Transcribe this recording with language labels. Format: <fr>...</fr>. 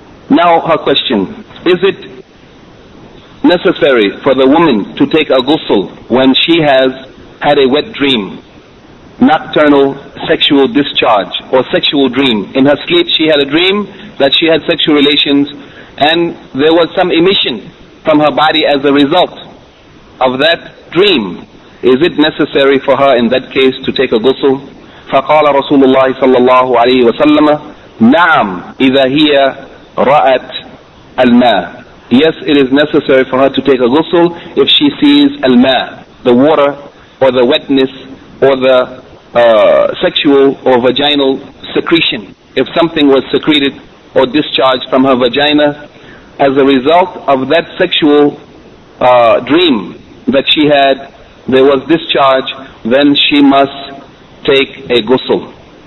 <en>Now her question, is it necessary for the woman to take a ghusl when she has had a wet dream, nocturnal sexual discharge or sexual dream? In her sleep she had a dream that she had sexual relations and there was some emission from her body as a result of that dream. Is it necessary for her in that case to take a ghusl?</en> <ar>فقال رسول الله صلى الله عليه وسلم نعم إذا هي رأت الماء.</ar> <en>Yes, it is necessary for her to take a ghusl if she sees الماء, the water or the wetness or the sexual or vaginal secretion. If something was secreted or discharged from her vagina as a result of that sexual dream that she had, there was discharge, then she must take a ghusl.</en>